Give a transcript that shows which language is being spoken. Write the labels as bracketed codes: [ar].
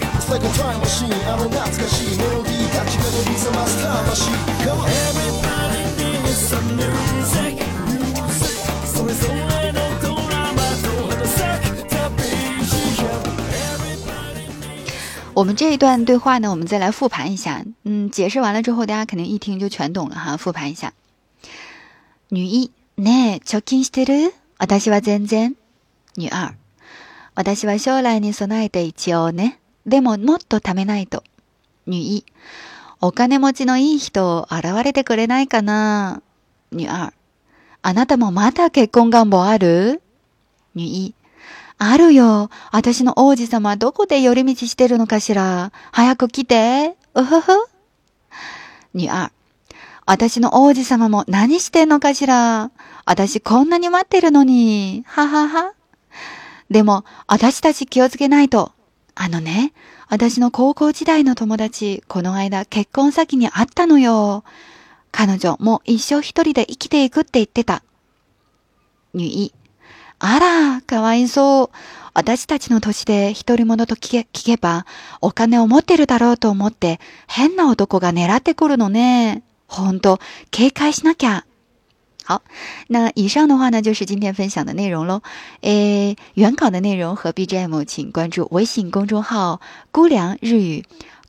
[en] Like a time machine, [ja] あの懐かしいメロディーが近くに覚ます魂。 [en] Come on, everybody needs some music。 [ja] それぞれのドラマと話せた BGM。 [zh] 我们这一段对话呢，我们再来复盘一下。解释完了之后，大家肯定一听就全懂了哈。复盘一下，女一， [ja] ねえ、貯金してる？私は全然。女二，私は将来に備えて一応ね。でももっと貯めないと。女一，お金持ちのいい人現れてくれないかな。女二，あなたもまだ結婚願望ある？女一。あるよ。私の王子様どこで寄り道してるのかしら。早く来て。うふふ。女二。私の王子様も何してんのかしら。私こんなに待ってるのに。ははは。でも、私たち気をつけないと。あのね、私の高校時代の友達、この間結婚先に会ったのよ。彼女、もう一生一人で生きていくって言ってた。女一。あら、かわいそう。私たちの歳で一人者と聞けば、お金を持ってるだろうと思って、変な男が狙ってくるのね。ほんと、警戒しなきゃ。 [zh] 好，那以上的话呢，就是今天分享的内容咯。诶，原稿的内容和 BGM， 请关注微信公众号“菇凉日语”。